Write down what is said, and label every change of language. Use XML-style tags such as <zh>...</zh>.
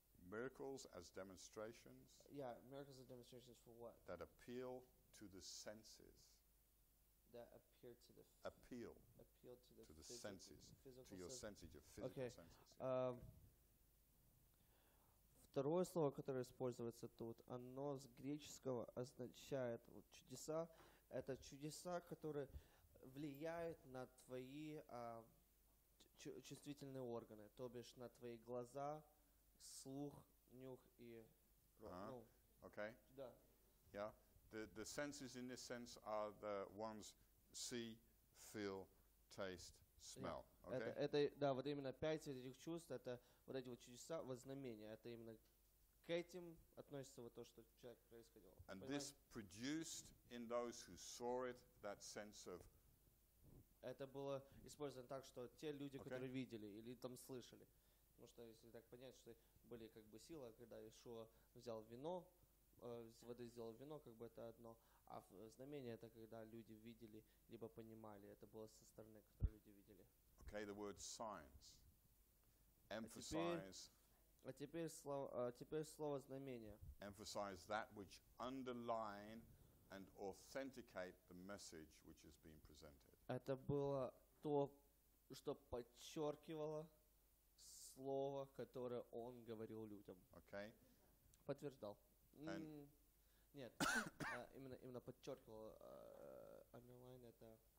<en>Miracles as demonstrations. Yeah, miracles as demonstrations for what? That appeal to the senses. That appear to the. Appeal. Appeal to the. To the senses. To your senses, your physical senses.</en> <ru>Второе слово, которое используется тут, оно с греческого означает вот, чудеса. Это чудеса, которые влияют на твои чувствительные органы, то бишь на твои глаза, слух, нюх и рот. Uh-huh. Ну,</ru> <en>okay.</en> <ru>Да.</ru> <en>Yeah. The senses in this sense are the ones see, feel, taste, smell. Okay.</en> <ru>Это да, вот именно пять этих чувств, это вот эти вот чудеса, вознамения, это именно к этим относится вот то, что человек происходил.</ru> <en>And</en> <ru>понимаете?</ru> <en>This produced in those who saw it that sense of.</en> <ru>Это было использовано так, что те люди, okay. которые видели или там слышали, потому что если так понять, что были как бы силы, когда Иешуа взял вино, из воды сделал вино, как бы это одно. А знамение это когда люди видели либо понимали, это было со стороны, которую люди видели.</ru> <en>Okay, the word signs emphasize.</en> <ru>А теперь слово знамение.</ru> <en>Emphasize that which underline and authenticate the message which is being presented.</en> <ru>Это было то, что подчеркивало слово, которое он говорил людям.</ru> <en>Okay.</en> <ru>Подтверждал. Нет, именно подчеркивал, underline это.</ru>